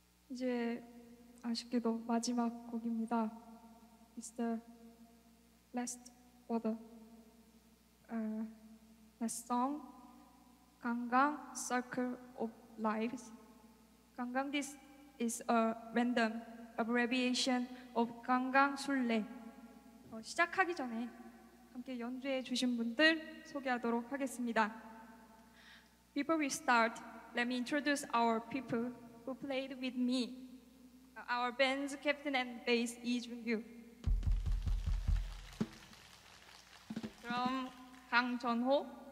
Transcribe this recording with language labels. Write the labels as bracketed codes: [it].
[ko] 이제 아쉽게도 마지막 곡입니다. [en] It's the last or the last song, Gangnam Circle of Lives. Gangnam, this is a random abbreviation of Gangnam Sulle. [ko] 시작하기 전에 함께 연주해 주신 분들 소개하도록 하겠습니다. [en] Before we start, let me introduce our people who played with me. Our band's captain and bass, Lee Junkyu. [ko] 드럼, 강전호.